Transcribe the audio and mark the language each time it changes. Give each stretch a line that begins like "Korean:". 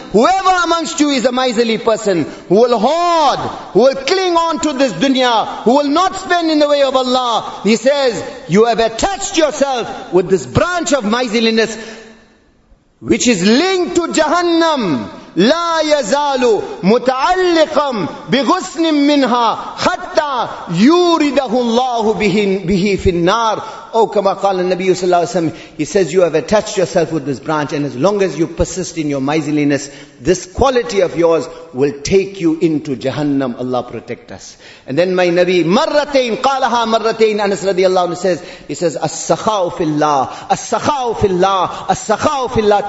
English: Whoever amongst you is a miserly person, who will hoard, who will cling on to this dunya, who will not spend in the way of Allah. He says, you have attached yourself with this branch of miserliness, which is linked to Jahannam.
Arabic: لا يزال متعلقا بغصن منها حتى يورده الله به في النار.
English: Oh,
Arabic: كما قال النبي صلى الله عليه وسلم,
English: he says, you have attached yourself with this branch, and as long as you persist in your miserliness, this quality of yours will take you into Jahannam. Allah protect us. And then my Nabi,
Arabic: مرتين قالها مرتين, Anas رضي الله عنه
English: says, he says,
Arabic: السخاء في الله, السخاء في الله, السخاء في الله.